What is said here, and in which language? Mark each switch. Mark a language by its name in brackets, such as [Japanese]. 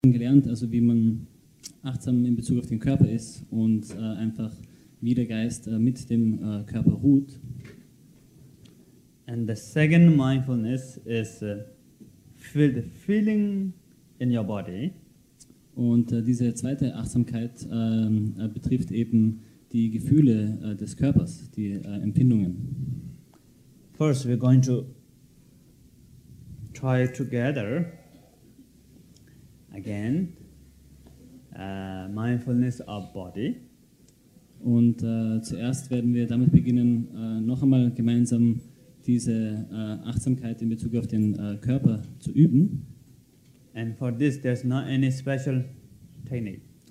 [German] gelernt, also wie man achtsam in Bezug auf den Körper ist und einfach wie der Geist mit dem Körper ruht. [English] And the second mindfulness is feel the feeling in your body. [German] Und diese zweite Achtsamkeit betrifft eben die Gefühle des Körpers, die Empfindungen. [English] First we're going to try together again mindfulness of body. [German] Und zuerst werden wir damit beginnen, noch einmal gemeinsam diese Achtsamkeit in Bezug auf den Körper zu üben. [English] And for this there's not any special technique.